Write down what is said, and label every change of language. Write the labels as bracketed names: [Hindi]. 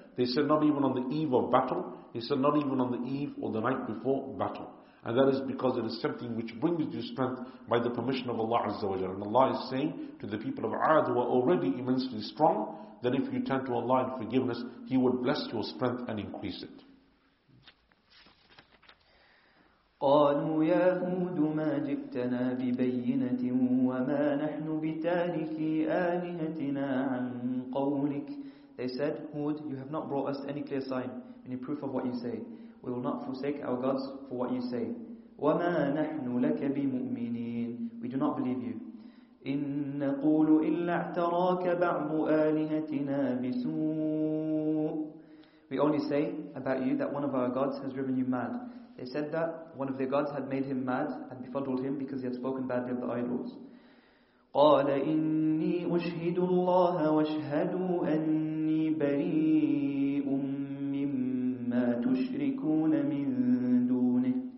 [English] They said not even on the eve of battle. He said not even on the eve or the night before battle. And that is because it is something which brings you strength by the permission of Allah Azza wa Jalla. And Allah is saying to the people of Aad who are already immensely strong, that if you turn to Allah in forgiveness, He would bless your strength and increase it. [Arabic] قالوا يا هود ما جئتنا ببينة وما نحن بتاركي آلهتنا عن قولك. [English] They said, Hood, you have not brought us any clear sign, any proof of what you say. We will not forsake our gods for what you say. [Arabic] وما نحن لك بمؤمنين. [English] We do not believe you. [Arabic] إن نقول إلا اعتراك بعض آلهتنا بسوء. [English] We only say about you that one of our gods has driven you mad. They said that one of their gods had made him mad and befuddled him because he had spoken badly of the idols. [Arabic] قَالَ إِنِّي أُشْهِدُ اللَّهَ وَأَشْهَدُ أَنِّي بَرِيءٌ مِّمَّا تُشْرِكُونَ مِن دُونِهِ.